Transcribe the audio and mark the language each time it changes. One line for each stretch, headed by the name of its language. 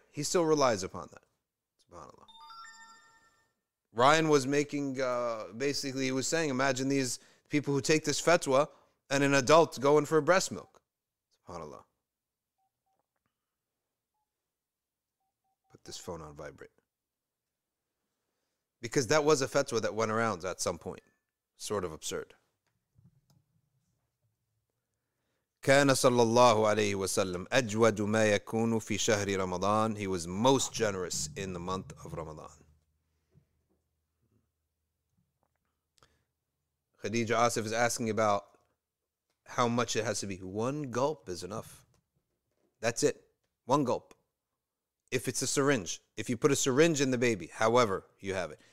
English: He still relies upon that. SubhanAllah. Ryan was making, basically he was saying, imagine these people who take this fatwa and an adult going for breast milk. SubhanAllah. Put this phone on vibrate. Because that was a fatwa that went around at some point. Sort of absurd.
Arabic: كان صلى الله عليه وسلم أجود ما يكون في شهر رمضان.
English: He was most generous in the month of Ramadan. Khadija Asif is asking about how much it has to be. One gulp is enough. That's it. One gulp. If it's a syringe, if you put a syringe in the baby, however you have it.